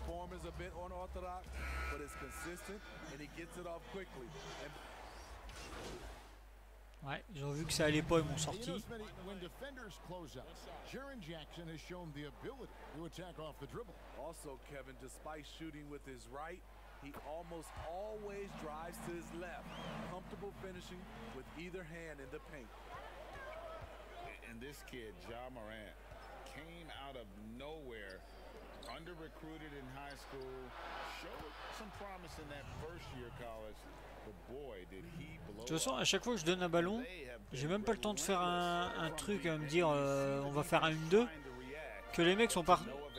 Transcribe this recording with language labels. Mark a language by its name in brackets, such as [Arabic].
[English] The form is a bit unorthodox, but it's consistent and he gets it off quickly. And [French] ouais, ils ont vu que ça allait pas, ils m'ont sorti. [English] When defenders close up, Jaren Jackson has shown the ability to attack off the dribble. Also, Kevin, despite shooting with his right, he almost always drives to his left, comfortable finishing with either hand in the paint. And this kid, Ja Morant, came out of nowhere, under recruited in high school, showed some promise in that first year college. [French] De toute façon, à chaque fois que je donne un ballon, j'ai même pas le temps de faire un truc à me dire on va faire un 1-2, que les mecs sont partis.